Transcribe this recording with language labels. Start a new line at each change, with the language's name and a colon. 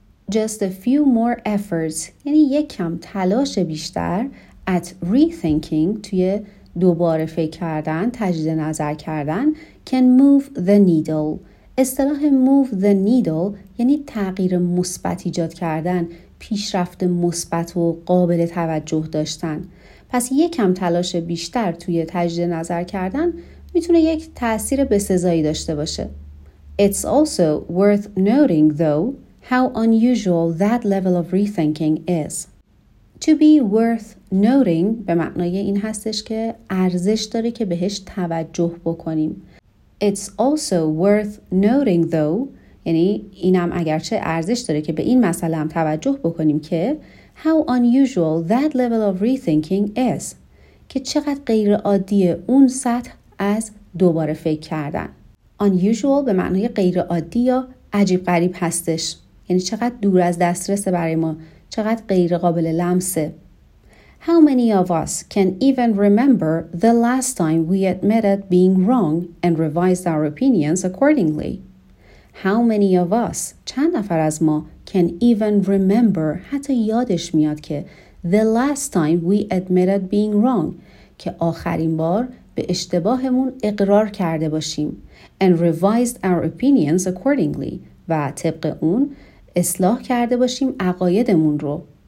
English: Just a few more efforts
Persian: یعنی یک کم تلاش بیشتر
English: at rethinking
Persian: توی دوباره فکر کردن، تجدید نظر کردن
English: can move the needle.
Persian: اصطلاح move the needle یعنی تغییر مثبت ایجاد کردن، پیشرفت مثبت و قابل توجه داشتن. پس یکم تلاش بیشتر توی تجدید نظر کردن میتونه یک تأثیر بسزایی داشته باشه.
English: It's also worth noting though how unusual that level of rethinking is. To be worth noting
Persian: به معنای این هستش که ارزش داره که بهش توجه بکنیم.
English: It's also worth noting though
Persian: یعنی اینم اگرچه ارزش داره که به این مسئله هم توجه بکنیم که
English: how unusual that level of rethinking is
Persian: که چقدر غیر عادیه اون سطح از دوباره فکر کردن. unusual به معنی غیر عادی یا عجیب غریب هستش. یعنی چقدر دور از دسترس برای ما، چقدر غیر قابل لمسه.
English: How many of us can even remember the last time we admitted being wrong and revised our opinions accordingly? How many of us,
Persian: چند نفر از ما,
English: can even remember,
Persian: حتی یادش میاد که,
English: the last time we admitted being wrong,
Persian: که آخرین بار به اشتباهمون اقرار کرده باشیم,
English: and revised our opinions accordingly,
Persian: و طبق اون اصلاح کرده باشیم عقایدمون رو.